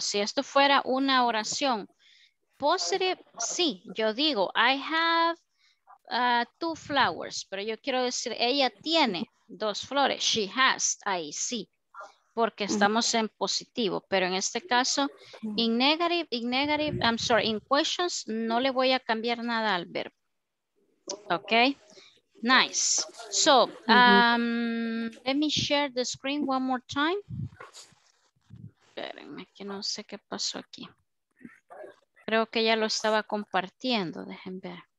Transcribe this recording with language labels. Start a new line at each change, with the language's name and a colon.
Spanish: Si esto fuera una oración positive, sí, yo digo,
English: I have two flowers,
Spanish: pero yo quiero decir, ella tiene dos flores,
English: she has,
Spanish: ahí sí. Porque estamos en positivo, pero en este caso,
English: in questions,
Spanish: no le voy a cambiar nada al verbo.
English: Ok, nice. So, let me share the screen one more time.
Spanish: Espérenme, que no sé qué pasó aquí. Creo que ya lo estaba compartiendo, dejen ver.